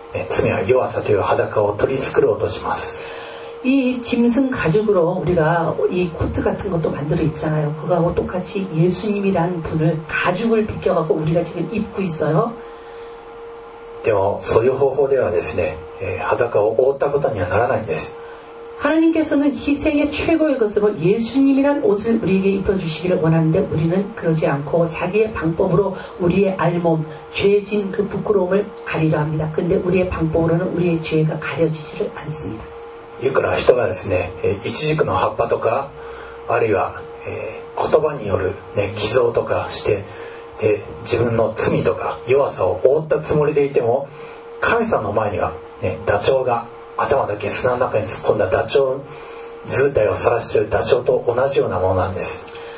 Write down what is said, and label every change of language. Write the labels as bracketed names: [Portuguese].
[Japanese] 神様から離れた人間は善悪判断をしてですね、一軸の葉っぱやその他いろいろなもので自分の罪や弱さという裸を取り繕おうとします。 [Korean] 이 짐승 가죽으로 우리가 이 코트 같은 것도 만들어 있잖아요. 그거하고 똑같이 예수님이라는 분을 가죽을 빗겨갖고 우리가 지금 입고 있어요. [Japanese] でもそういう方法ではですね、裸を覆ったことにはならないんです。 [Korean] 하나님께서는 희생의 최고의 것으로 예수님이란 옷을 우리에게 입혀주시기를 원하는데 우리는 그러지 않고 자기의 방법으로 우리의 알몸, 죄진 그 부끄러움을 가리려 합니다. 근데 우리의 방법으로는 우리의 죄가 가려지지를 않습니다. [Japanese] いくら人がですね、一軸の葉っぱとか、あるいは言葉による偽造とかして、自分の罪とか弱さを覆ったつもりでいても、神様の前には、ダチョウが頭だけ砂の中に突っ込んだダチョウ、図体を晒しているダチョウと同じようなものなんです。